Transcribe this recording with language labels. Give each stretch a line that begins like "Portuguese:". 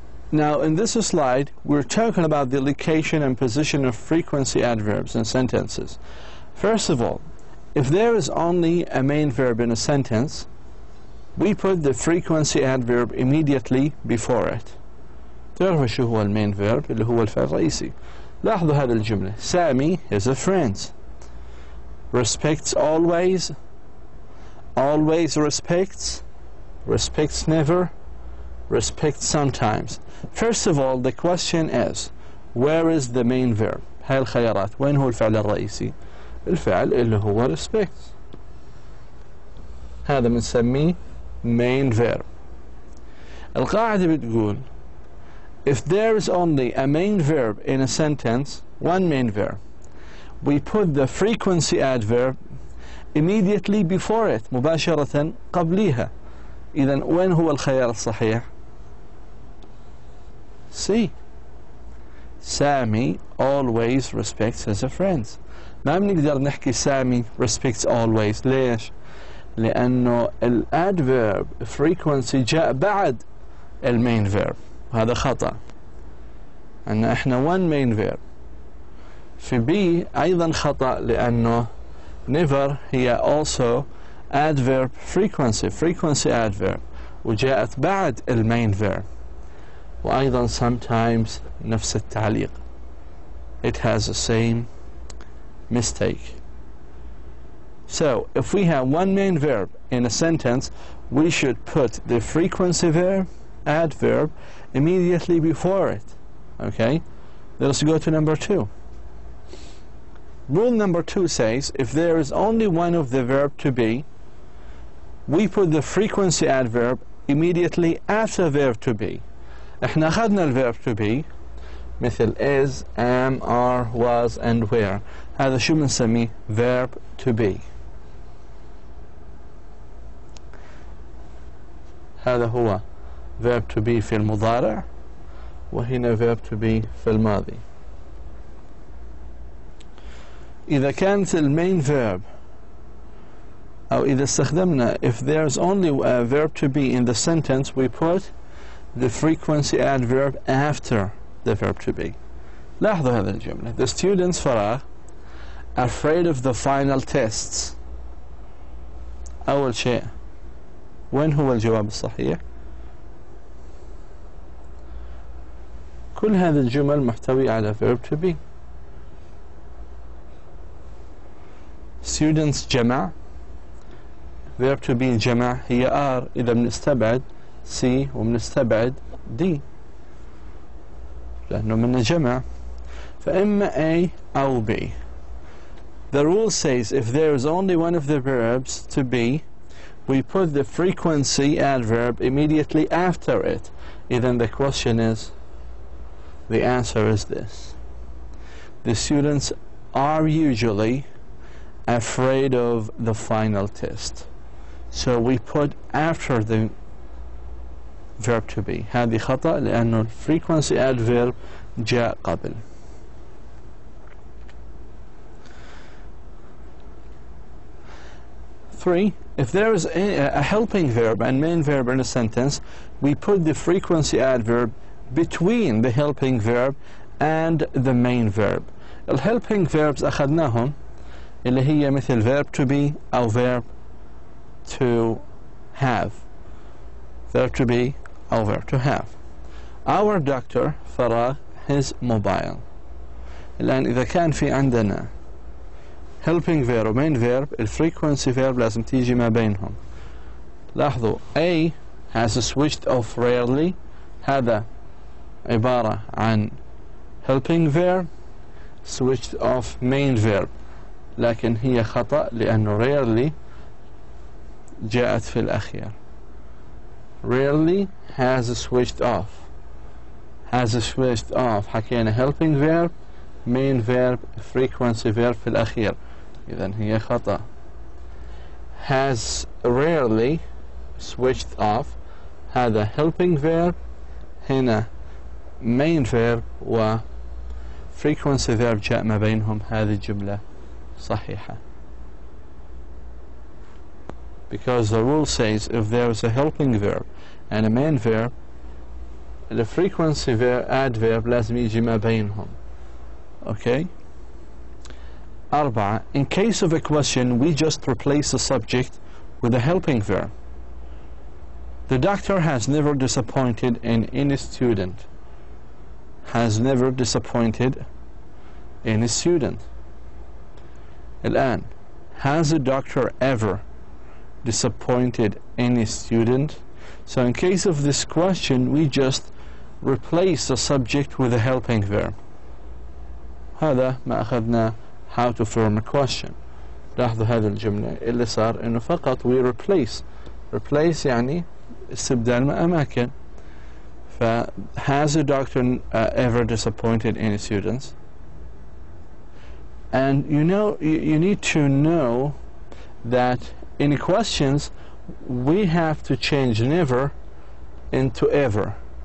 English: Now, in this slide, we're talking about the location and position of frequency adverbs in sentences. First of all, if there is only a main verb in a sentence, we put the frequency adverb immediately before it.
Arabic: تعرف شو هو المين فيرب اللي هو الفعل الرئيسي. لاحظوا هذه الجملة. سامي
English: is a friend. respects always, always respects, respects never, respects sometimes. First of all, the question is, where is the main verb?
Arabic: هاي الخيارات وين هو الفعل الرئيسي؟ الفعل اللي هو respects. هذا بنسميه main verb. القاعدة بتقول
English: if there is only a main verb in a sentence, one main verb, we put the frequency adverb immediately before it,
Arabic: مباشرة قبليها. إذن وين هو الخيار الصحيح؟ C.
English: Sami always respects his friends.
Arabic: ما بنقدر نحكي
English: Sami respects always.
Arabic: ليش؟ لأنه الادverb frequency جاء بعد المين verb. هذا خطأ. أن إحنا one main verb. في B أيضا خطأ لأنه never هي also adverb frequency, frequency adverb, وجاءت بعد المين verb. وأيضا sometimes نفس التعليق.
English: It has the same mistake. So if we have one main verb in a sentence, we should put the frequency verb adverb immediately before it. Okay, let us go to number two. Rule number two says, if there is only one of the verb to be, we put the frequency adverb immediately after verb to be.
Arabic: احنا اخذنا الverb to be مثل is, am, are, was, and where. هذا شو بنسميه verb to be. هذا هو verb to be في المضارع وهنا verb to be في الماضي. إذا كانت المين verb أو إذا استخدمنا
English: if there's only a verb to be in the sentence, we put the frequency adverb after the verb to be.
Arabic: لاحظوا هذا الجملة.
English: The students فراغ afraid of the final tests.
Arabic: أول شيء وين هو الجواب الصحيح؟ كل هذه الجمل محتوية على verb to be. Students جمع verb to be جمع هي are. إذا بنستبعد C وبنستبعد D لأنه من جمع. فإما A أو B.
English: The rule says if there is only one of the verbs to be, we put the frequency adverb immediately after it. Then the question is, the answer is this. The students are usually afraid of the final test. So we put after the verb to be.
Arabic: هذه خطأ لأنه frequency adverb جاء قبل.
English: Three, if there is a helping verb and main verb in a sentence, we put the frequency adverb between the helping verb and the main verb.
Arabic: Helping verbs أخذناهم اللي هي مثل verb to be أو verb to have.
English: Verb to be أو verb to have. Our doctor فراغ his mobile.
Arabic: الآن إذا كان في عندنا helping verb و main verb, الفريكونسي verb لازم تيجي ما بينهم.
English: لاحظوا A has switched off rarely. هذا عبارة عن helping verb, switched off main verb.
Arabic: لكن هي خطأ لأنه rarely جاءت في الأخير.
English: Rarely has switched off. Has switched off. حكينا helping verb, main verb, frequency verb في الأخير.
Arabic: إذن هي خطأ.
English: Has rarely switched off. هذا helping verb.
Arabic: هنا main verb و frequency verb جاء ما بينهم. هذه الجملة صحيحة.
English: Because the rule says if there is a helping verb and a main verb, the frequency verb adverb
Arabic: لازم يجي ما بينهم.
English: Okay. أربعة, in case of a question, we just replace the subject with a helping verb. The doctor has never disappointed in any student. Has never disappointed any student. الآن Has a doctor ever disappointed any student? So in case of this question, we just replace the subject with a helping verb.
Arabic: هذا ما أخذنا how to form a question. لاحظوا هذه الجملة اللي صار إنه فقط we replace. Replace يعني استبدال أماكن.
English: Has a doctor ever disappointed any students? And you know, you need to know that in questions, we have to change never into ever.